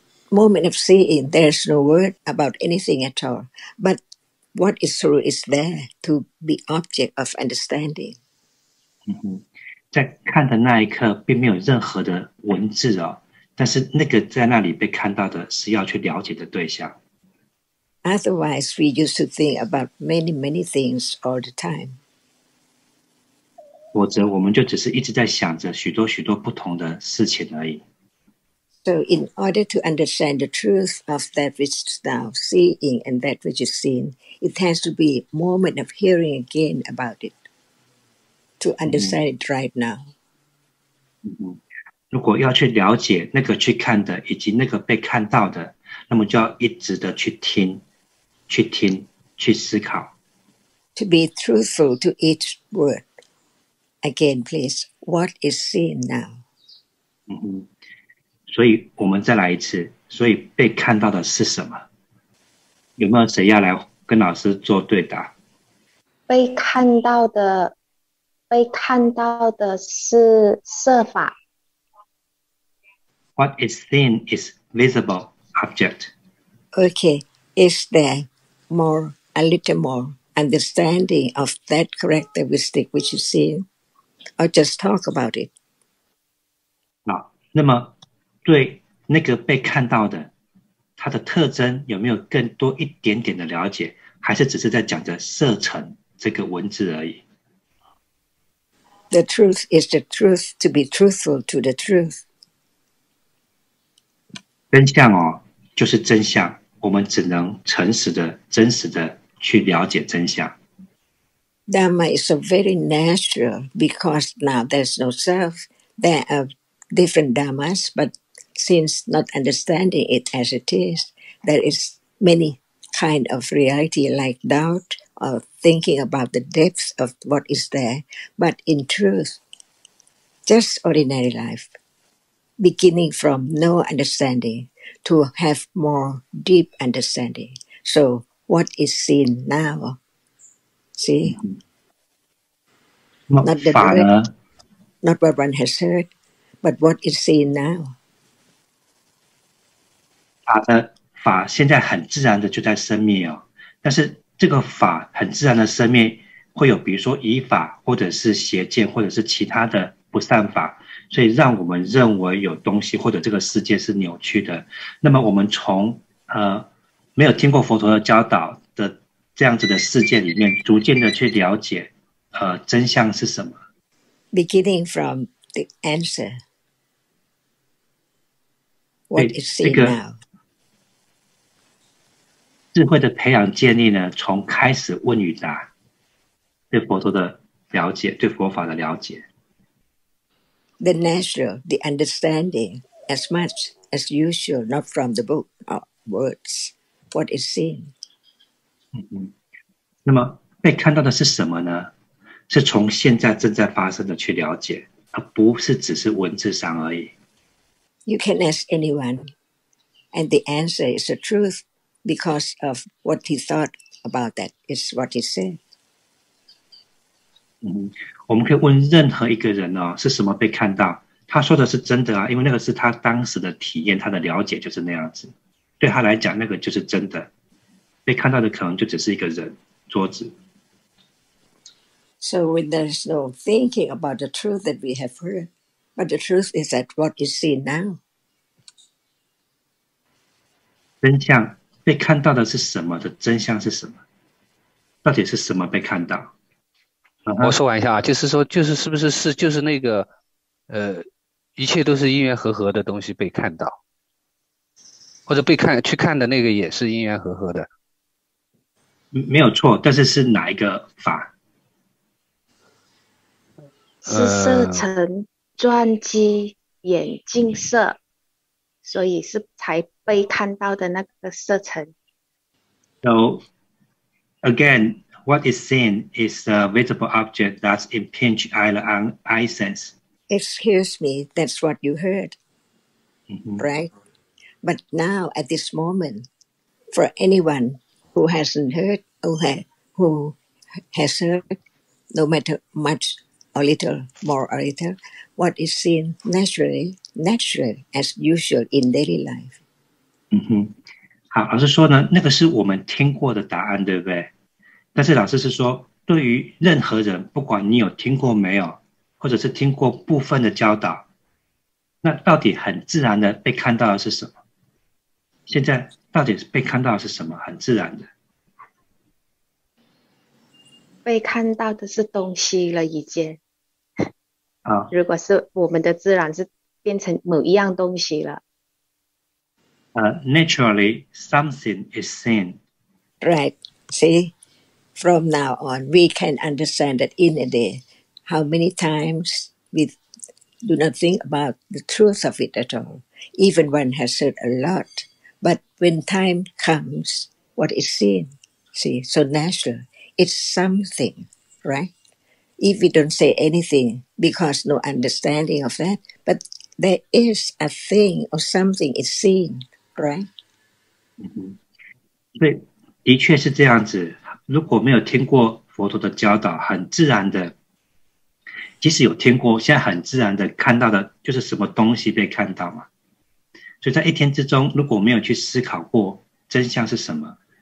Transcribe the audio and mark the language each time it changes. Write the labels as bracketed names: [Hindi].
[English] Moment of seeing, there's no word about anything at all. But what is true is there to be object of understanding. [Chinese] 在看的那一刻并没有任何的文字哦，但是那个在那里被看到的是要去了解的对象。 [English] Otherwise, we used to think about many, many things all the time. [Chinese] 否则我们就只是一直在想着许多许多不同的事情而已。 [English] So in order to understand the truth of that which is now seeing and that which is seen, it has to be a moment of hearing again about it, to understand it right now. [Chinese] 如果要去了解那个去看的以及那个被看到的，那么就要一直的去听，去听，去思考。 [English] To be truthful to each word. Again, please, what is seen now? [Chinese] 所以我们再来一次，所以被看到的是什么？有没有谁要来跟老师做对答？被看到的是色法。 [English] What is seen is visible object. Okay, is there more, a little more understanding of that characteristic which you see? Or just talk about it? [Chinese] 那么对那个被看到的它的特征有没有更多一点点的了解，还是只是在讲着色尘这个文字而已？ [English] The truth is the truth to be truthful to the truth. [Chinese] 真相哦，就是真相，我们只能诚实的、真实的去了解真相。 [English] Dhamma is so very natural because now there's no self. There are different dhammas, but since not understanding it as it is, there is many kind of reality like doubt or thinking about the depth of what is there. But in truth, just ordinary life, beginning from no understanding to have more deep understanding. So what is seen now, see? Not the word, not what one has heard, but what is seen now. [Chinese] 法的法现在很自然的就在生灭哦，但是这个法很自然的生灭，会有比如说疑法，或者是邪见，或者是其他的不善法，所以让我们认为有东西或者这个世界是扭曲的。那么我们从没有听过佛陀的教导的这样子的世界里面，逐渐的去了解。真相是什么？ [English] Beginning from the answer. What is seen、 [Chinese] 这个、 [English] now? [Chinese] 智慧的培养建立呢，从开始问与答，对佛陀的了解，对佛法的了解。 [English] The natural, the understanding, as much as usual, not from the book or words, what is seen. [Chinese] 那么被看到的是什么呢？是从现在正在发生的去了解，而不是只是文字上而已。 [English] You can ask anyone, and the answer is the truth because of what he thought about that is what he said.、 [Chinese] 我们可以问任何一个人、哦、是什么被看到？他说的是真的啊，因为那个是他当时的体验，他的了解就是那样子。对他来讲，那个就是真的。被看到的可能就只是一个人、桌子。 [English] So when there's no thinking about the truth that we have heard, but the truth is that what you see now. [Chinese] 真相被看到的是什么的真相是什么？到底是什么被看到？我说完一下啊，就是说，就是是不是是就是那个，一切都是因缘和合的东西被看到，或者被看去看的那个也是因缘和合的。没有错，但是是哪一个法？是色尘转机眼镜色，所以是才被看到的那个色尘。 [English] So again, what is seen is a visible object that impinges on the eye sense. Excuse me, that's what you heard, right? But now at this moment, for anyone who hasn't heard, who has heard, no matter much. A little more, a little. What is seen naturally, naturally as usual in daily life. [Chinese] 好，老师说呢，那个是我们听过的答案，对不对？但是老师是说，对于任何人，不管你有听过没有，或者是听过部分的教导，那到底很自然的被看到的是什么？现在到底被看到的是什么？很自然的。被看到的是东西了已经、啊、如果是我们的自然是变成某一样东西了、 [English] Naturally something is seen. Right, see, from now on we can understand that in a day how many times we do not think about the truth of it at all. Even one has heard a lot, but when time comes, what is seen, see, so naturalIt's something, right? If we don't say anything because no understanding of that, but there is a thing or something is seen, right? [Chinese] 对，的确是这样子。如果没有听过佛陀的教导，很自然的，即使有听过，现在很自然的看到的就是什么东西被看到嘛。所以在一天之中，如果没有去思考过真相是什么，